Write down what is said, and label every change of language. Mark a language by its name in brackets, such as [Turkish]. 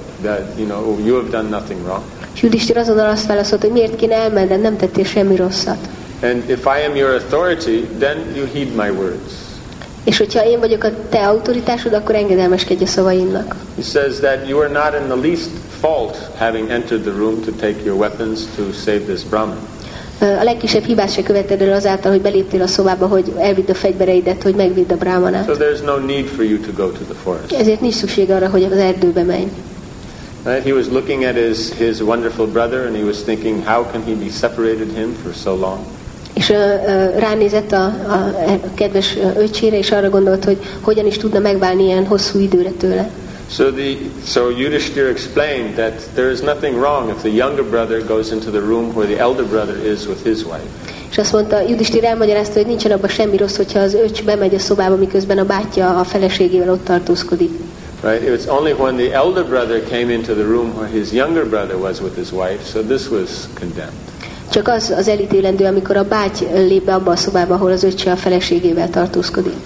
[English] That, you know, you have done nothing wrong. [Hungarian] Yudhishthira azonnal azt válaszolta, hogy miért kéne elmenned, nem tettél semmi rosszat. [English] And if I am your authority, then you heed my words. [Hungarian] És hogyha én vagyok a te autoritásod, akkor engedelmeskedj a szavaimnak. [English] He says that you are not in the least fault having entered the room to take your weapons to save this brahman. [Hungarian] a legkisebb hibát se követted el azáltal, hogy beléptél a szobába, hogy elvidd a fegyvereidet, hogy megvidd a brámanát. [English] So there's no need for you to go to the forest. [Hungarian] Ezért nincs szükség arra, hogy az erdőbe menj. [English] He was looking at his wonderful brother, and he was thinking, how can he be separated him for so long? [Hungarian] És ránézett a kedves öcsére, és arra gondolt, hogy hogyan is tudna megválni ilyen hosszú időre tőle. [English] So Yudhishthira explained that there is nothing wrong if the younger brother goes into the room where the elder brother is with his wife. [Hungarian] És azt mondta, Yudhishthira elmagyarázta, hogy nincsen abban semmi rossz, hogyha az öcs bemegy a szobába, miközben a bátyja a feleségével ott tartózkodik. [English] Right, it was only when the elder brother came into the room where his younger brother was with his wife, so this was condemned. [Hungarian] Csak az elítélendő, amikor a báty lép be abba a szobába, ahol az öccse a feleségével tartózkodik.